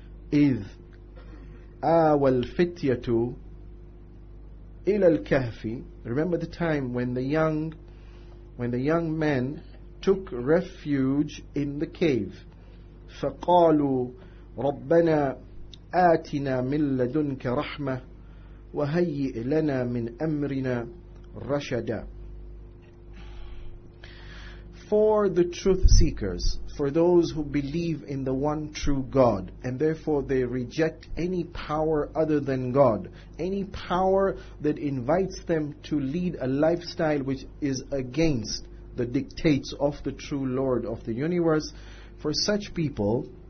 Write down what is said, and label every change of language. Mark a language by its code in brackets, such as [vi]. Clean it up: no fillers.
[ar] إِذْ آوَى الْفِتْيَةُ إِلَى الْكَهْفِ. [en] Remember the time when the young men took refuge in the cave. [ar] فَقَالُوا رَبَّنَا آتنا من لدنك رحمة وهيئ لنا من أمرنا رشدا. [en] For the truth seekers, for those who believe in the one true God, and therefore they reject any power other than God, any power that invites them to lead a lifestyle which is against the dictates of the true Lord of the universe, for such people,